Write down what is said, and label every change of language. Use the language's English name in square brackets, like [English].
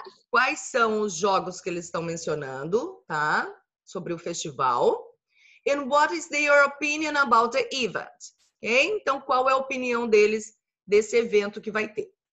[Portuguese] Quais são os jogos que eles estão mencionando, tá? Sobre o festival. [English] And what is their opinion about the event? Okay? [Portuguese] Então, qual é a opinião deles desse evento que vai ter?